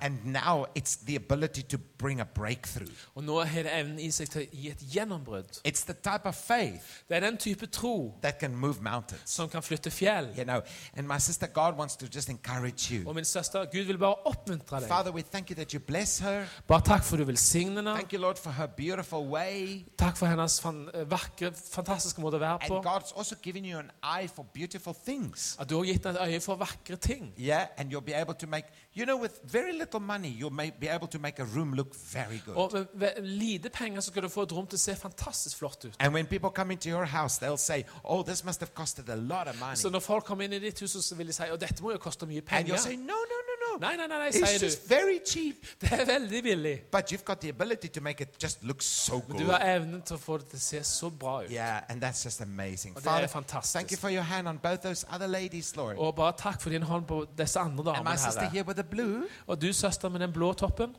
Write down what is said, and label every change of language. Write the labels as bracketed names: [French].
[English] And now it's the ability to bring a breakthrough. [Norwegian] Og nå det evnen I seg til å gi et gjennombrudd. [English] It's the type of faith. [Norwegian] Det den type tro. [English] That can move mountains. [Norwegian] Som kan flytte fjell. [English] You know, and my sister, God wants to just encourage you. [Norwegian] Og min søster, Gud vil bare oppmuntre deg. [English] Father, we thank you that you bless her. [Norwegian] Bare takk for du velsigner henne. [English] Thank you, Lord, for her beautiful way. [Norwegian] Takk for hennes vakre, fantastiske måte å være på. [English] And God's also given you an eye for beautiful things. [Norwegian] At du har gitt deg et øye for vakre ting. [English] Yeah, and you'll be able to make, you know, with very little money, you'll may be able to make a room look very good. [Norwegian] Og med lite penger så kan du få et rom til å se fantastisk flott ut. [English] And when people come into your house, they'll say, oh, this must have costed a lot of money. [Norwegian] Så når folk kommer inn I ditt hus, så vil de si, oh, dette må jo koste mye penger. [English] And you'll say, no. [Norwegian] Nei, [English] it's [Norwegian] sier du. [English] It's just very cheap. [Norwegian] Det veldig billig. [English] But you've got the ability to make it just look so good. [Norwegian] Du har evnen til å få det til å se så bra ut. [English] Yeah, and that's just amazing. [Norwegian] Og det fantastisk. [English] Thank you for your hand on both those other ladies. [Norwegian] Og bare takk for din hånd på disse andre damene her. Og du søster med den blå toppen.